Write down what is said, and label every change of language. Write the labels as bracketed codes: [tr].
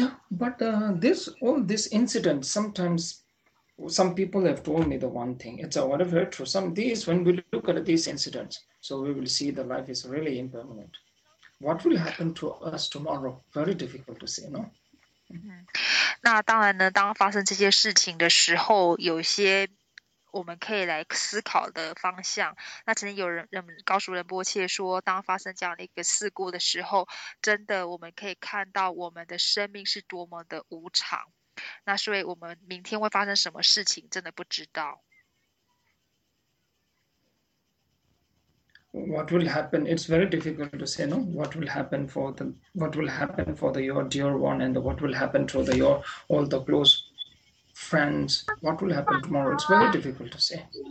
[en] But all these incidents sometimes. Some people have told me the one thing. It's a very true. When we look at these incidents, so we will see the life is really impermanent. What will happen to us tomorrow? Very difficult to say, no? [zh] 那当然呢，当发生这些事情的时候，有些我们可以来思考的方向。那曾经有人告诉仁波切说，当发生这样的一个事故的时候，真的我们可以看到我们的生命是多么的无常。那所以，我们明天会发生什么事情，真的不知道。 [en] What will happen? It's very difficult to say, no? What will happen for the your dear one, and what will happen to the your all the close friends? What will happen tomorrow? It's very difficult to say.